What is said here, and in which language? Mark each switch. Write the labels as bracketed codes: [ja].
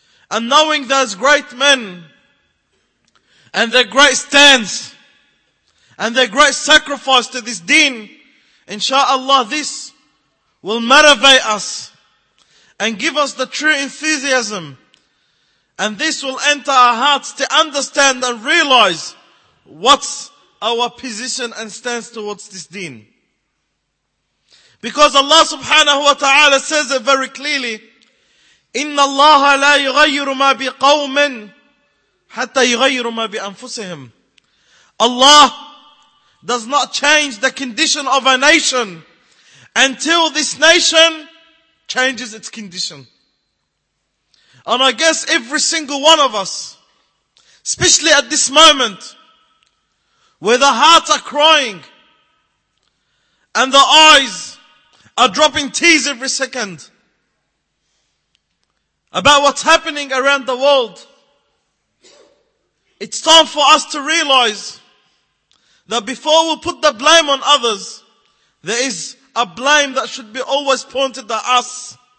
[en] And knowing those great men and their great stance and their great sacrifice to this deen, inshallah, this will motivate us and give us the true enthusiasm. And this will enter our hearts to understand and realize what's our position and stance towards this deen. Because Allah subhanahu wa ta'ala says it very clearly, [ar] إِنَّ اللَّهَ لَا يُغَيِّرُ مَا بِقَوْمٍ حَتَّى يُغَيِّرُ مَا بِأَنفُسِهِمْ. [en] Allah does not change the condition of a nation until this nation changes its condition. And I guess every single one of us, especially at this moment, where the hearts are crying and the eyes are dropping tears every second about what's happening around the world, it's time for us to realize that before we put the blame on others, there is a blame that should be always pointed at us.